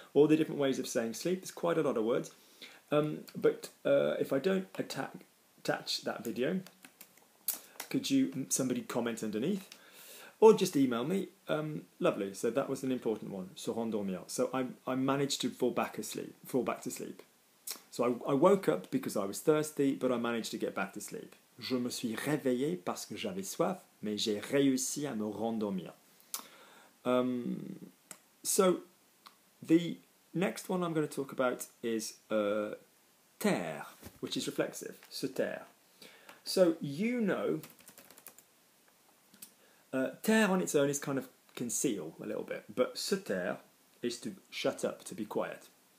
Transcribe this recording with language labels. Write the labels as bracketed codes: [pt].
[en] All the different ways of saying sleep. There's quite a lot of words. If I don't attach that video, could you somebody comment underneath? Or just email me. Lovely. So that was an important one. Se rendormir. So I managed to fall back to sleep. So I woke up because I was thirsty, but I managed to get back to sleep. [fr] Je me suis réveillé parce que j'avais soif, mais j'ai réussi à me rendormir. [en] So the next one I'm going to talk about is taire, which is reflexive. Se taire. So you know... taire on its own is kind of conceal a little bit. But se taire is to shut up, to be quiet.